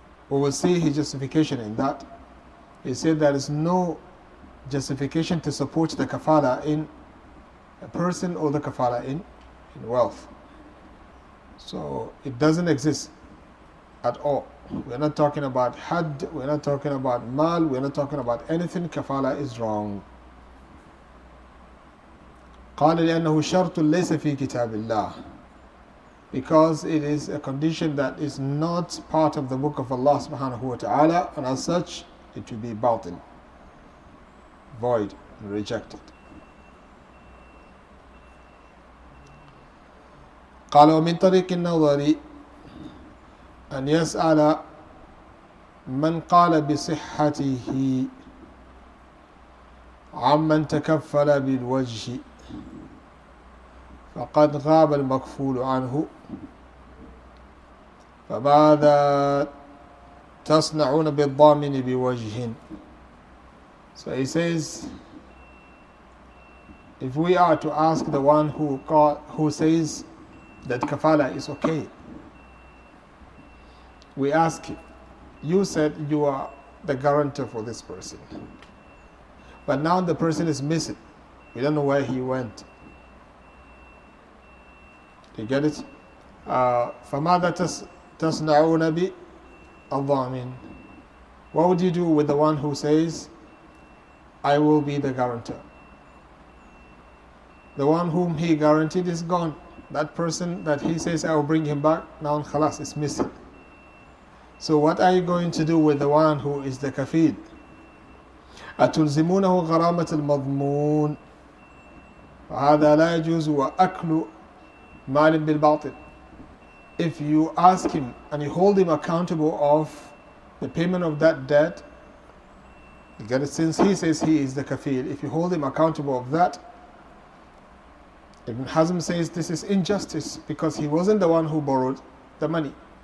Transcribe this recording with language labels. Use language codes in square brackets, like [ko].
[en] We will see his justification in that. He said there is no justification to support the kafala in a person or the kafala in wealth. So it doesn't exist at all. We're not talking about had, we're not talking about mal, we're not talking about anything. Kafala is wrong. [ar] قال لأنه شرط ليس في كتاب الله. [en] Because it is a condition that is not part of the book of Allah subhanahu wa ta'ala, and as such, it will be batil, void, and rejected. [ar] قال ومن طريق النظر أن يسأل من قال بصحته عمن تكفل بالوجه فقد غاب المكفول عنه فماذا تصنعون بالضامن بوجه. [en] So he says, if we are to ask the one who says that kafala is okay. We ask you, said you are the guarantor for this person, but now the person is missing. We don't know where he went. You get it? [ar] فَمَاذَا تَصْنَعُونَ بِالضَّامِينَ. [en] What would you do with the one who says, I will be the guarantor? The one whom he guaranteed is gone. That person that he says, I will bring him back, now خلاص, is missing. So what are you going to do with the one who is the kafil? [ar] أَتُلْزِمُونَهُ غَرَامَةَ الْمَضْمُونَ هذا لا يجوز وأكل مال بالباطل. [en] If you ask him and you hold him accountable of the payment of that debt, you get it? Since he says he is the kafil, if you hold him accountable of that, Ibn Hazm says this is injustice because he wasn't the one who borrowed the money.